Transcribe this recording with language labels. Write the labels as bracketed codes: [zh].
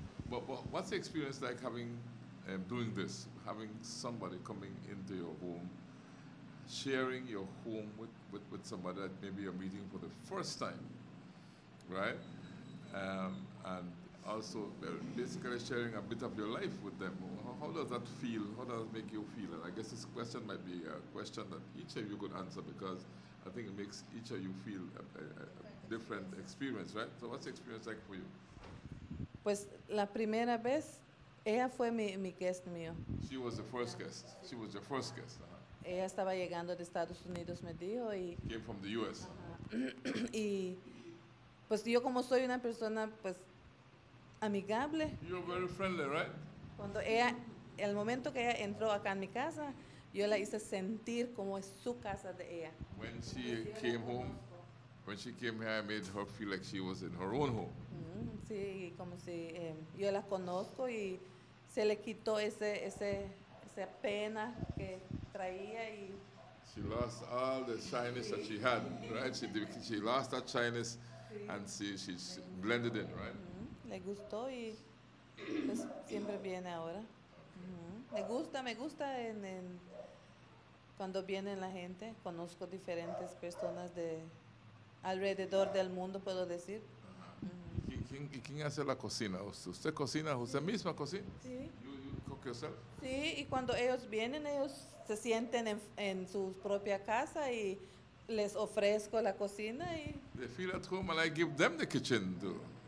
[en] But what's the experience like having, doing this, having somebody coming into your home, sharing your home with somebody that maybe you're meeting for the first time, right? And also basically sharing a bit of your life with them. How does that feel? How does it make you feel? And I guess this question might be a question that each of you could answer, because I think it makes each of you feel different experience, right? So what's the experience like for you? [es] Pues la primera vez, ella fue mi guest mío. [en] She was the first guest. She was your first guest. Uh-huh. [es] Ella estaba llegando de Estados Unidos, me dijo, y [en] came from the U.S. [es] Y pues yo como soy una persona pues amigable. [en] You're very friendly, right? [es] Cuando ella, el momento que ella entró acá en mi casa, yo la hice sentir como es su casa de ella. [en] When she came home, when she came here, I made her feel like she was in her own home. [es] Sí, como si yo la conozco y se le quitó esa pena que traía y. [en] She lost all the shyness that she had, right? She lost that shyness, and she's blended in, right? [es] Le gustó y pues siempre viene ahora. Me gusta en cuando viene la gente, conozco diferentes personas de alrededor del mundo, puedo decir. ¿Quién hace la cocina? ¿Usted cocina? ¿Usted misma cocina? Sí. [en] You cook yourself? [es] Sí, y cuando ellos vienen, ellos se sienten en su propia casa y les ofrezco la cocina. Y [en] they feel at home and I give them the kitchen too.